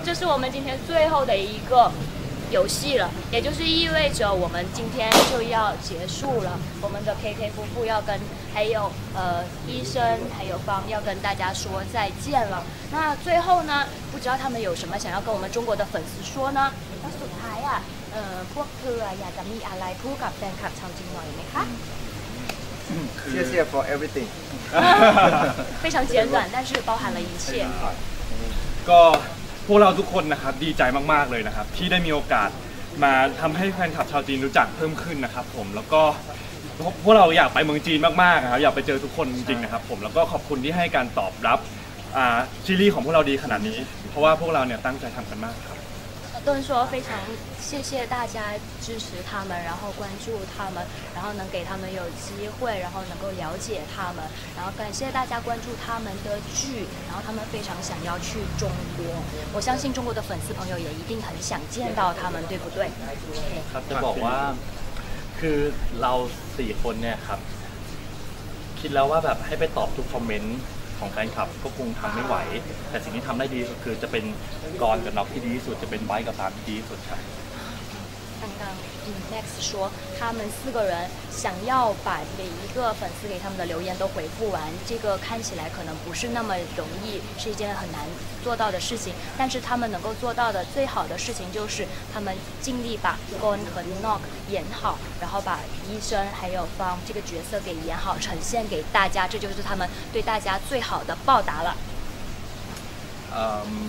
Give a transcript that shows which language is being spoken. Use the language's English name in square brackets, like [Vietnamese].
[Chinese] 这是我们今天最后的一个游戏了，也就是意味着我们今天就要结束了。我们的 KK 夫妇要跟还有医生还有方要跟大家说再见了。那最后呢，不知道他们有什么想要跟我们中国的粉丝说呢？ [Thai] 那สุดท้ายอ่ะพวกเธออยากจะมีอะไรพูดกับแฟนคลับชาวจีนหน่อยไหมคะ？ [Chinese] 谢谢 [English] for everything。 [Chinese] 非常简短，但是包含了一切。 [Thai] ก็พวกเราทุกคนนะครับดีใจมากๆเลยนะครับที่ได้มีโอกาสมาทำให้แฟนคลับชาวจีนรู้จักเพิ่มขึ้นนะครับผมแล้วก็พวกเราอยากไปเมืองจีนมากๆครับอยากไปเจอทุกคนจริงๆนะครับผมแล้วก็ขอบคุณที่ให้การตอบรับซีรีส์ของพวกเราดีขนาดนี้ พราะว่าพวกเราเนี่ยตั้งใจทำกันมากครับ ต้องขอ [Chinese] 非常谢谢大家支持他们然后关注他们然后能给他们有机会然后能够了解他们然后感谢大家关注他们的剧然后他们非常想要去中国我相信中国的粉丝朋友也一定很想见到他们对不对 [Thai] ครับจะบอกว่าคือเรา4คนเนี่ยครับคิดแล้วว่าแบบให้ไปตอบทุกคอมเมนต์ของแฟนคลับก็คงทำไม่ไหวแต่สิ่งที่ทำได้ดีก็คือจะเป็นกรกับน็อกที่ดีที่สุดจะเป็นไบกับตามที่ดีที่สุดครับ [Chinese] 刚刚Max 说他们四个人想要把每一个粉丝给他们的留言都回复完这个看起来可能不是那么容易是一件很难做到的事情但是他们能够做到的最好的事情就是他们尽力把 Gon 和 Nock 演好然后把医生还有 Fong 这个角色给演好呈现给大家这就是他们对大家最好的报答了